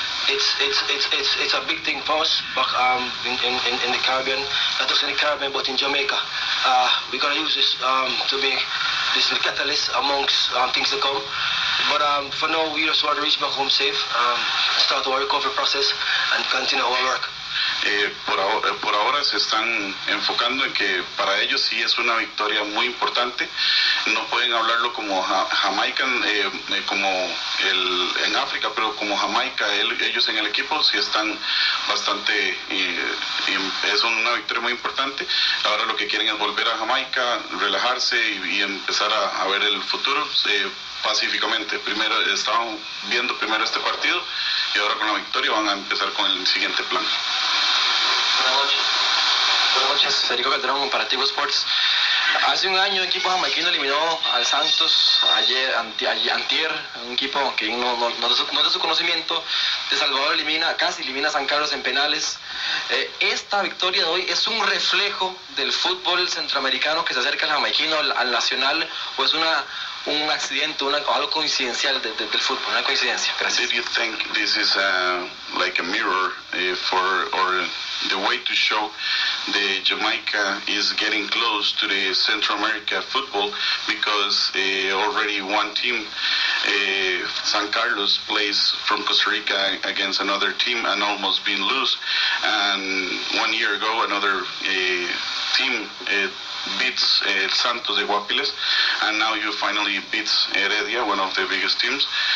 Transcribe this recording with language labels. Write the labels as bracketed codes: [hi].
[en] It's a big thing for us, but in the Caribbean, not just in the Caribbean, but in Jamaica, we're gonna use this to be this catalyst amongst things to come. But for now, we just want to reach back home safe, start our recovery process, and continue our work. [es] Por ahora se están enfocando en que para ellos sí es una victoria muy importante. No pueden hablarlo como Jamaican, como el en África, pero como Jamaica, ellos en el equipo sí están bastante, es una victoria muy importante. Ahora lo que quieren es volver a Jamaica, relajarse y empezar a ver el futuro pacíficamente. Primero estaban viendo primero este partido y ahora con la victoria van a empezar con el siguiente plan. Buenas noches. Federico Calderón, Comparativo Sports. Hace un año el equipo jamaicano eliminó al Santos, antier, un equipo que no es de su conocimiento. De Salvador casi elimina a San Carlos en penales. Esta victoria de hoy es un reflejo del fútbol centroamericano que se acerca al jamaicano, al nacional, o es un accidente, algo coincidencial del fútbol, una coincidencia. Gracias. [en] Did you think this is like a mirror for or the way to show the Jamaica is getting close to the Central America football, because already one team, San Carlos, plays from Costa Rica against another team and almost been lose, and 1 year ago another team beats Santos de Guapiles, and now you finally beats Heredia, one of the biggest teams.